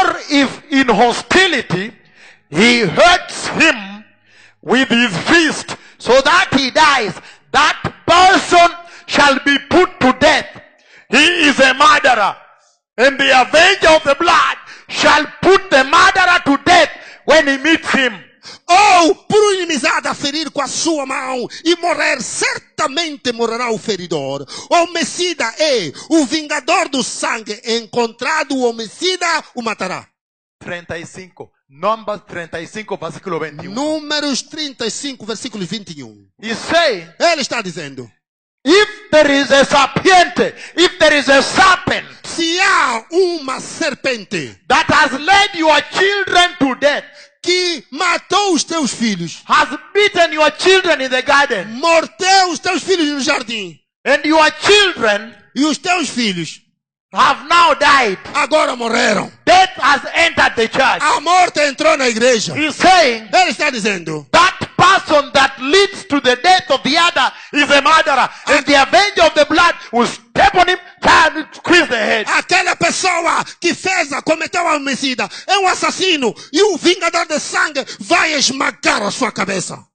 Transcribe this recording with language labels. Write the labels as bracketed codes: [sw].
[en] If in hostility he hurts him with his fist so that he dies, that person shall be put to death. He is a murderer, and the avenger of the blood shall put the murderer to death when he meets him. [pt] Ou por um inimizado a ferir com a sua mão e morrer, certamente morrerá o feridor. Homicida é o vingador do sangue. Encontrado o homicida, o matará. 35. Números 35, versículo 21. Números 35, versículo 21. E sei. Ele está dizendo. [en] If there is a serpiente, if there is a serpent, [pt] se há uma serpente, [en] that has led your children to death, [pt] que matou os teus filhos, [en] has beaten your children in the garden, [pt] morteu os teus filhos no jardim, [en] and your children, [pt] e os teus filhos, [en] have now died, [pt] agora morreram, [en] death has entered the church, [pt] a morte entrou na igreja. [en] He's saying, [pt] ele está dizendo, [en] that person that leads to the death of the other is a murderer, and the avenger of the blood will step on him, turn, squeeze the head. [pt] Aquela pessoa que fez, cometeu a homicida, é um assassino, e o vingador de sangue vai esmagar a sua cabeça.